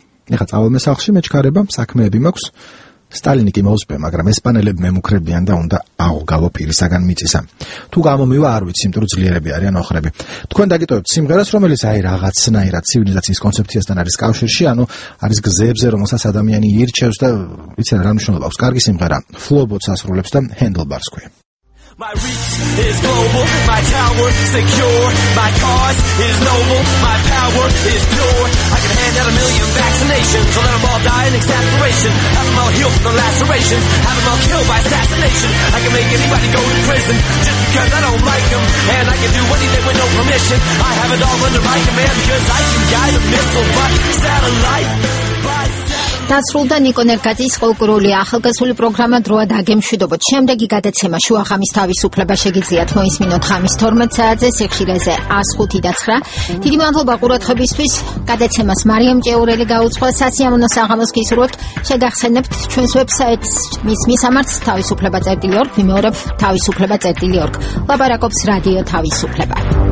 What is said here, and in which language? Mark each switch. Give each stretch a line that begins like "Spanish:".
Georgian: ეხა წავალ მე სახლში, მე ჩქარება, საქმეები მაქვს. სტალინი კი მოუსპე, მაგრამ ესპანელები მემუქრებიან და უნდა აღვგავო პირისაგან მიწისა. თუ გამომივა არ ვიცი, იმიტომ რომ ძლიერები არიან ოხრები. თქვენ დაგიტოვებთ სიმღერას, რომელიც აი რაღაცნაირად ცივილიზაციის კონცეფციასთან არის კავშირში, ანუ არის გზებზე, რომელსაც ადამიანი ირჩევს და ვიცი რა მნიშვნელობა აქვს. კარგი სიმღერა, ფლობოც ასრულებს და Handlebars ქვია.
English: My reach is global, my tower secure, my cause is noble, my power is pure. I can hand out a million vaccinations, or let them all die in exasperation. Have them all healed from the lacerations, have them all killed by assassination. I can make anybody go to prison, just because I don't like them. And I can do anything with no permission, I have it all under my command. Because I can guide a missile by satellite.
Georgian: დასრულდა ნიკო ნერგაძის ხოლკრული ახალგაზრული პროგრამა დროა დაგემშვიდობოთ. შემდეგი გადაცემა შუა ღამის თავისუფლება შეგიძლიათ მოისმინოთ ღამის 12 საათზე სიხშირეზე 105.9. დიდი მადლობა ყურადღებისთვის. გადაცემას მარიამ ჭეურელი გაუძღვა. სასიამოვნო საღამოს გისურვებთ. შეგახსენებთ ჩვენს ვებსაიტს missmisamarts.tavisupleba.org. ვიმეორებ tavisupleba.org. ლაბარაკობს რადიო თავისუფლება.